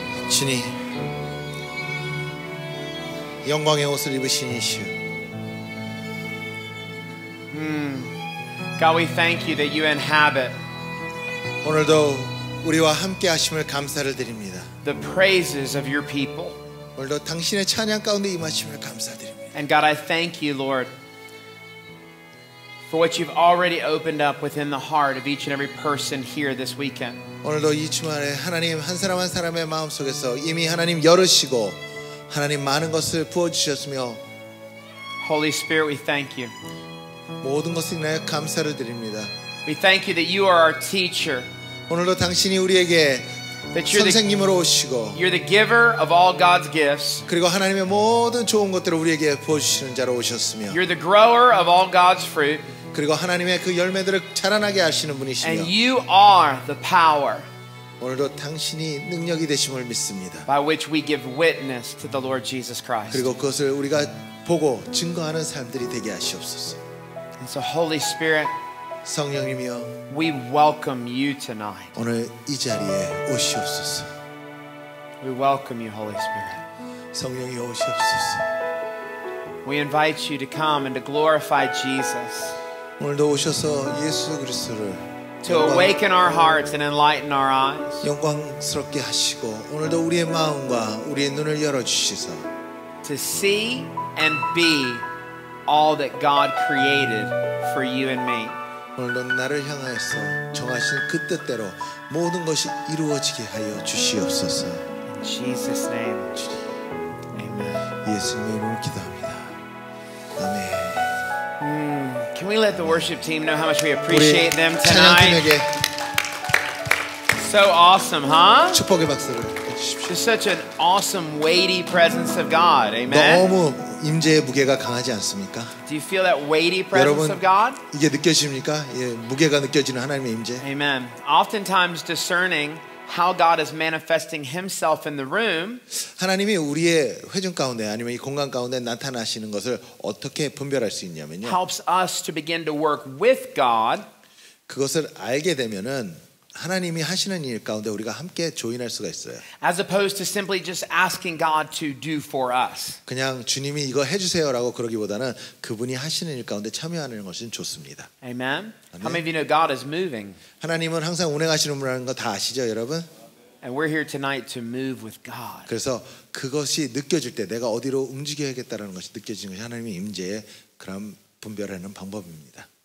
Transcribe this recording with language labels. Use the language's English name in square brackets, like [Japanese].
[Korean] 주님, 영광의 옷을 입으신 이시오. [English] God, we thank you that you inhabit. [Korean] 오늘도 우리와 함께 하심을 감사를 드립니다. [English] The praises of your people. [Korean] 오늘도 당신의 찬양 가운데 임하심을 감사드립니다. [English] And God, I thank you, Lord, for what you've already opened up within the heart of each and every person here this weekend. [Korean] 오늘도 이 주말에 하나님 한 사람 한 사람의 마음 속에서 이미 하나님 열으시고 하나님 많은 것을 부어 주셨으며. [English] Holy Spirit, we thank you. [Korean] 모든 것을 내 감사를 드립니다. [English] We thank you that you are our teacher. [Korean] 오늘도 당신이 우리에게 선생님으로 오시고 [English] you're the giver of all God's gifts. [Korean] 그리고 하나님의 모든 좋은 것들을 우리에게 부어주시는 자로 오셨으며 [English] you're the grower of all God's fruit. [Korean] 그리고 하나님의 그 열매들을 자라나게 하시는 분이시며 [English] and you are the power. [Korean] 오늘도 당신이 능력이 되심을 믿습니다. [English] by which we give witness to the Lord Jesus Christ. [Korean] 그리고 그것을 우리가 보고 증거하는 사람들이 되게 하시옵소서. [English] And so Holy Spirit, [Korean] 성령님이여, [English] we welcome you tonight. [Korean] 오늘 이 자리에 오시옵소서. [English] We welcome you, Holy Spirit. [Korean] 성령이여 오시옵소서. [English] We invite you to come and to glorify Jesus. [Korean] 오늘도 오셔서 예수 그리스도를 [English] to awaken our hearts and enlighten our eyes. [Korean] 영광스럽게 하시고 오늘도 우리의 마음과 우리의 눈을 열어주시소. [English] To see and be all that God created for you and me. [Korean] 오늘도 나를 향하여서 정하신 그 뜻대로 모든 것이 이루어지게 하여 주시옵소서. [English] In Jesus' name. [Korean] 주님. [English] Amen. [Korean] 예수님의 이름으로 기도합니다. 아멘. [English] Can we let the worship team know how much we appreciate them tonight? So awesome, huh? [Korean] 축복의 박수를 해주십시오. [English] Just such an awesome, weighty presence of God. Amen. [Korean] 너무 임재의 무게가 강하지 않습니까? [English] Do you feel that weighty presence [Korean] 여러분, [English] of God? [Korean] 이게 느껴집니까? 예, 무게가 느껴지는 하나님의 임재. [English] Amen. Oftentimes discerning how God is manifesting Himself in the room. [Korean] 하나님이 우리의 회중 가운데 아니면 이 공간 가운데 나타나시는 것을 어떻게 분별할 수 있냐면요. [English] Helps us to begin to work with God. [Korean] 그것을 알게 되면은 하나님이 하시는 일 가운데 우리가 함께 조인할 수가 있어요. [English] As opposed to simply just asking God to do for us. [Korean] 그냥 주님이 이거 해주세요라고 그러기보다는 그분이 하시는 일 가운데 참여하는 것은 좋습니다. [English] Amen. How many of you know God is moving? [Korean] 하나님은 항상 운행하시는 분이라는 거 다 아시죠, 여러분? [English] And we're here tonight to move with God. [Korean] 그래서 그것이 느껴질 때 내가 어디로 움직여야겠다라는 것이 느껴지는 것이 하나님의 임재의 그런 분별하는 방법입니다.